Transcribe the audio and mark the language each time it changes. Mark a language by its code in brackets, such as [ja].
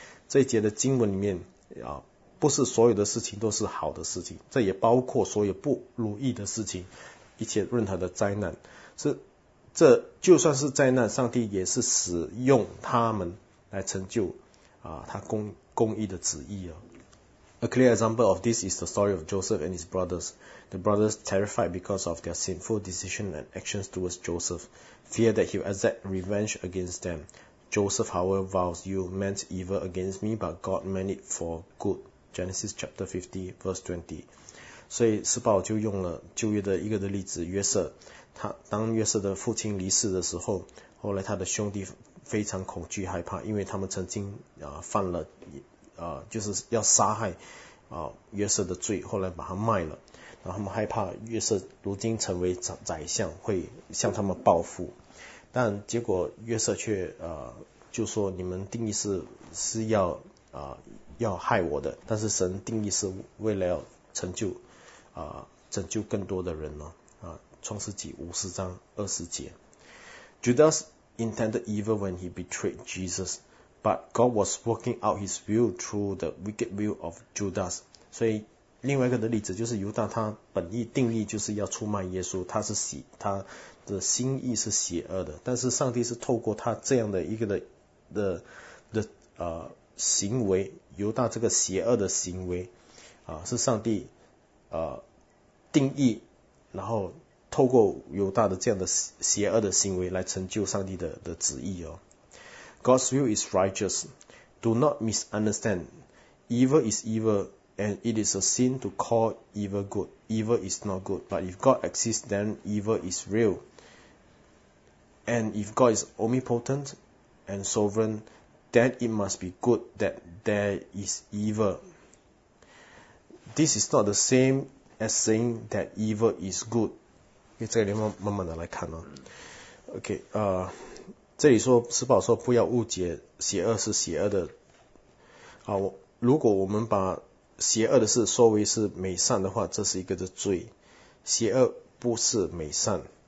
[zh] 这一节的经文里面不是所有的事情都是好的事情，这也包括所有不如意的事情。一切任何的灾难，这就算是灾难，上帝也是使用他们来成就他公义的旨意啊。 [en] A clear example of this is the story of Joseph and his brothers. The brothers terrified because of their sinful decision and actions towards Joseph, fear that he will exact revenge against them. Joseph, however, vows, "You meant evil against me, but God meant it for good." Genesis chapter 50, verse 20. [zh] 所以施宝就用了旧约的一个的例子，约瑟。当约瑟的父亲离世的时候，后来他的兄弟非常恐惧害怕，因为他们曾经犯了就是要杀害约瑟的罪，后来把他卖了。然后他们害怕约瑟如今成为宰相，会向他们报复。但结果约瑟却就说，你们定义是要害我的，但是神定义是为了要拯救更多的人呢？创世纪五十章二十节 [en] ，Judas intended evil when he betrayed Jesus, but God was working out His will through the wicked will of Judas. [zh] 所以另外一个的例子就是犹大，他本意定义就是要出卖耶稣，他的心意是邪恶的，但是上帝是透过他这样的一个的行为，犹大这个邪恶的行为是上帝。定义，然后透过犹大的这样的邪恶的行为来成就上帝的旨意哦。 [en] God's will is righteous. Do not misunderstand. Evil is evil, and it is a sin to call evil good. Evil is not good. But if God exists, then evil is real. And if God is omnipotent and sovereign, then it must be good that there is evil. This is not the same as saying that evil is good. [zh] 这个地方慢慢的来看哦。OK， 这里说施宝说不要误解邪恶是邪恶的。如果我们把邪恶的事说为是美善的话，这是一个的罪。邪恶不是美善。